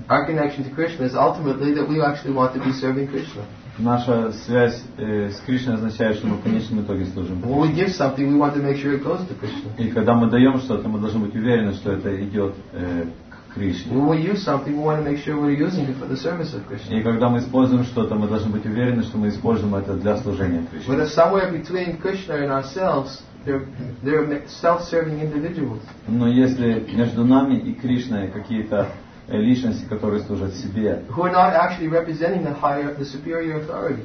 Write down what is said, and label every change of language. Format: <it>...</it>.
<en>Our connection to Krishna is ultimately that we actually want to be serving Krishna.</en> <ru>Наша связь с Кришной означает, что мы в конечном итоге служим Кришне.</ru> <en>When we give something, we want to make sure it goes to Krishna.</en> <ru>И когда мы даем что-то, мы должны быть уверены, что это идет к Кришне.</ru> <en>When we use something, we want to make sure we're using it for the service of Krishna.</en> <ru>И когда мы используем что-то, мы должны быть уверены, что мы используем это для служения Кришне.</ru> <en>But somewhere between Krishna and ourselves, they're self-serving individuals.</en> <ru>Но если между нами и Кришной какие-то личности, которые служат себе,</ru> <en>who are not actually representing the higher, the superior authority,</en>